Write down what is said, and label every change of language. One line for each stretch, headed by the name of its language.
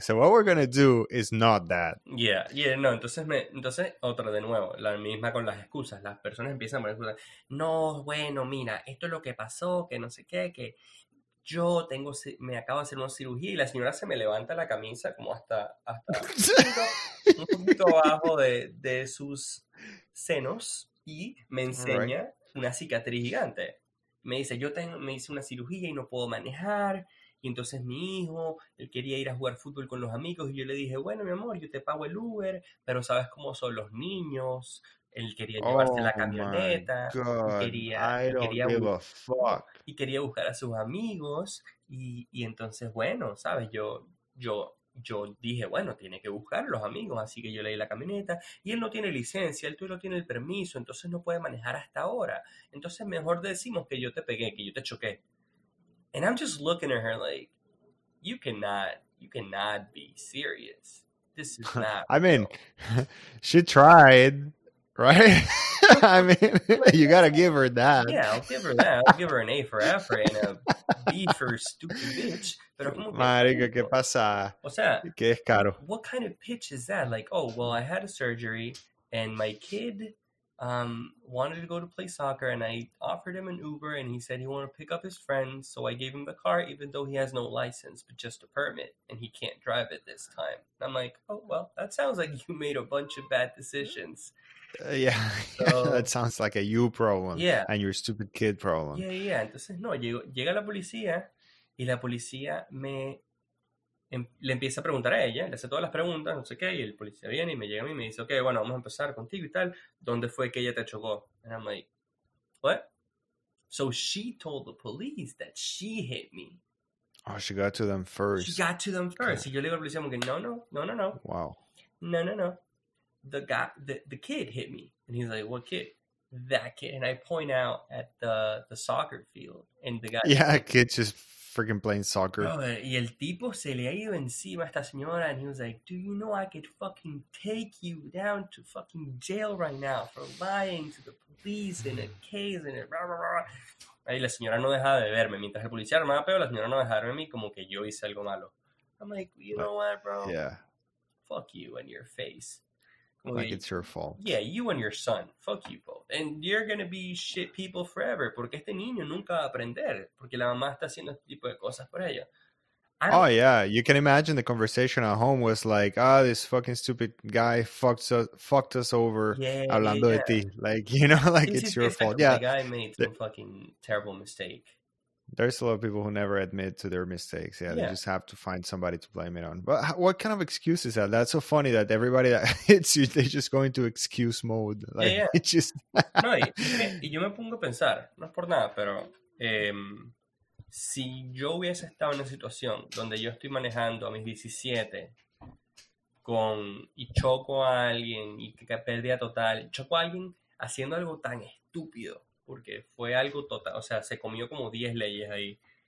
English: So what we're gonna do is not that. Yeah, yeah. No.
Spanish: Entonces, entonces otra de nuevo, la misma con las excusas. Las personas empiezan a poner excusas. No, bueno, mira, esto es lo que pasó, que no sé qué, que yo tengo, me acabo de hacer una cirugía y la señora se me levanta la camisa como hasta un poquito abajo de sus senos y me enseña right. una cicatriz gigante. Me dice, me hice una cirugía y no puedo manejar. Y entonces mi hijo, él quería ir a jugar fútbol con los amigos. Y yo le dije, bueno, mi amor, yo te pago el Uber. Pero sabes cómo son los niños. Él quería llevarse la camioneta. Y quería buscar a sus amigos. Y entonces, bueno, sabes, yo dije, bueno, tiene que buscar los amigos. Así que yo le di la camioneta. Y él no tiene licencia, él no tiene el permiso. Entonces no puede manejar hasta ahora. Entonces mejor decimos que yo te pegué, que yo te choqué.
English: And I'm just looking at her like, you cannot be serious. This is not real. I mean, she tried, right? I mean, you gotta give her that. Yeah, I'll give her that. I'll give her an A for effort and a B for stupid bitch.
Spanish: Marico, ¿qué pasa? O sea, ¿qué es caro?
English: What kind of pitch is that? Like, oh, well, I had a surgery and my kid wanted to go to play soccer and I offered him an Uber and he said he wanted to pick up his friends. So I gave him the car, even though he has no license, but just a permit and he can't drive it this time. And I'm like, oh, well, that sounds like you made a bunch of bad decisions. Yeah, so, that sounds like a you problem yeah. and your stupid kid problem. Yeah, yeah.
Spanish: Entonces, no, llega la policía y la policía le empieza a preguntar a ella, le hace todas las preguntas, no sé qué, y el policía viene y me llega a mí y me dice, okay, bueno, vamos a empezar contigo y tal. ¿Dónde fue que ella te chocó?
English: And I'm like, what? So she told the police that she hit me. Oh, she got to them first. She got to them first. Okay.
Spanish: Y yo le digo a la policía, no.
English: Wow. No. The kid hit me. And he's like, what kid? That kid. And I point out at the soccer field. And the guy. Yeah, kid just freaking playing soccer.
Spanish: Oh, y el tipo se le ha ido encima a esta señora.
English: And he was like, do you know I could fucking take you down to fucking jail right now for lying to the police in a case and rah, rah, rah.
Spanish: Y la señora no dejaba de verme. Mientras el policía armaba peor, la señora no dejaba de verme como que yo hice algo malo.
English: I'm like, you know what, bro? Yeah. Fuck you and your face. Like it's your fault. Yeah, you and your son. Fuck you both. And you're going to be shit people forever.
Spanish: Porque este niño nunca va a aprender. Porque la mamá está haciendo este tipo de cosas por ella.
English: Oh, yeah. You can imagine the conversation at home was like, ah, oh, this fucking stupid guy fucked us over
Spanish: hablando de ti.
English: Like, you know, like it's your fault. Yeah. The guy made some fucking terrible mistake. There's a lot of people who never admit to their mistakes. Yeah, they just have to find somebody to blame it on. But what kind of excuse is that? That's so funny that everybody that hits you, they just go into excuse mode. Like, yeah, yeah. It just...
Spanish: No, y yo me pongo a pensar, no es por nada, pero si yo hubiese estado en una situación donde yo estoy manejando a mis 17 y choco a alguien y que pérdida total, choco a alguien haciendo algo tan estúpido, porque fue algo total, o sea, se comió como 10 leyes ahí.